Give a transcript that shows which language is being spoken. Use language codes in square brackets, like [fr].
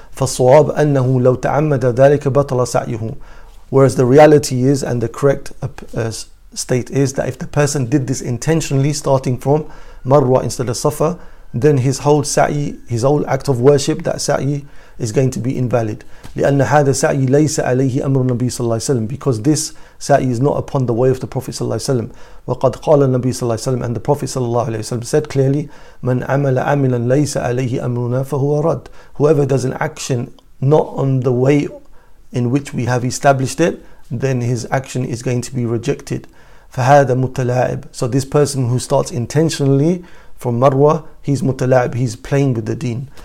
[ar] فَالصُوَابْ أَنَّهُ لَوْ تَعَمَّدَ ذَلِكَ بَطَلَ سَعْيُهُ, [en] whereas the reality is, and the correct state is, that if the person did this intentionally, starting from Marwa instead of Safa, then his whole sa'i, his whole act of worship, that sa'i, is going to be invalid. [ar] لِأَنَّ هَذَا سَعْيِ لَيْسَ عَلَيْهِ أَمْرُ النَّبِي [en] صلى الله عليه وسلم, because this sa'i is not upon the way of the Prophet صلى الله عليه وسلم. [ar] وَقَدْ قَالَ النَّبِي [en] صلى الله عليه وسلم, and the Prophet صلى الله عليه وسلم said clearly, [ar] مَنْ عَمَلَ عَمِلًا لَيْسَ عَلَيْهِ أَمْرُنَا فَهُوَ رَدْ, [en] whoever does an action not on the way in which we have established it, then his action is going to be rejected. [ar] فَهَذَا مُتَلَاعِبْ, [en] so this person who starts intentionally from Marwa, he's mutalab, he's playing with the deen.